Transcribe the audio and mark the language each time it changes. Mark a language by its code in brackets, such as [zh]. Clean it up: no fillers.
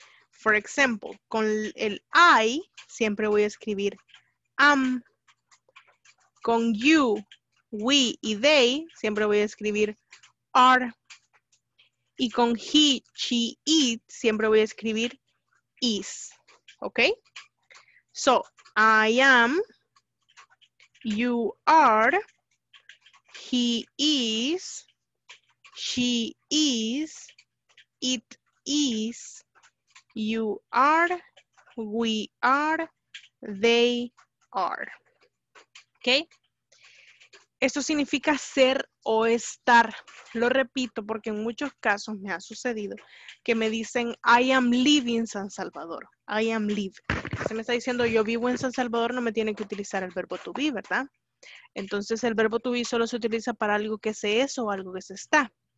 [es] For example, con el I siempre voy a escribir am. Con you, we y they siempre voy a escribir are. Y con he, she, it siempre voy a escribir is. ¿Ok? [en] So, I am, you are, he is, she is, it is, you are, we are, they are. [es] ¿Ok? Esto significa ser o estar. Lo repito porque en muchos casos me ha sucedido que me dicen [en] I am living San Salvador. I am live. [es] Se me está diciendo yo vivo en San Salvador, no me tiene que utilizar el verbo to be, ¿verdad? Entonces el verbo to be solo se utiliza para algo que se es o algo que se está.